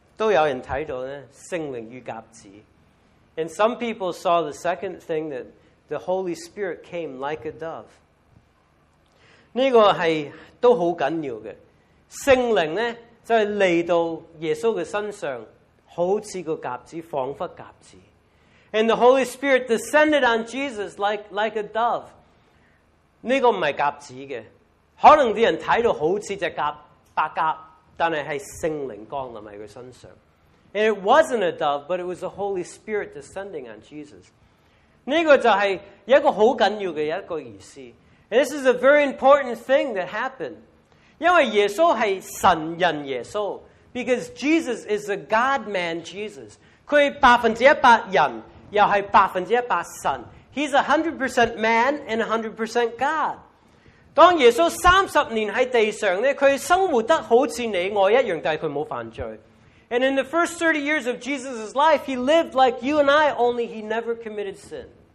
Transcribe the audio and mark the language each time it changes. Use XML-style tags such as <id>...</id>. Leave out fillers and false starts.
<zh>第二件事呢,都有人看到呢,圣灵与鸽子。</zh> <en>And some people saw the second thing, that the Holy Spirit came like a dove.</en> <zh>这个都很重要的。圣灵呢,就是来到耶稣的身上,好像个鸽子,仿佛鸽子。</zh> <en>And the Holy Spirit descended on Jesus like a dove.</en> <zh>这个不是鸽子的。可能人看到好像一只白鸽,但是是圣灵降临在他身上。</zh> <en>And it wasn't a dove, but it was the Holy Spirit descending on Jesus.</en> <zh>这个就是一个很重要的一个意思。</zh> <en>And this is a very important thing that happened.</en> <zh>因为耶稣是神人耶稣,</zh> <en>because Jesus is a God-man Jesus.</en> <zh>他是100%人,也是100%神。</zh> <en>He's 100% man and 100% God.</en> <zh>当耶稣30年在地上呢, 他生活得好像你我一样,但是他没有犯罪。</zh> <en>And in the first 30 years of Jesus' life, he lived like you and I, only he never committed sin.</en>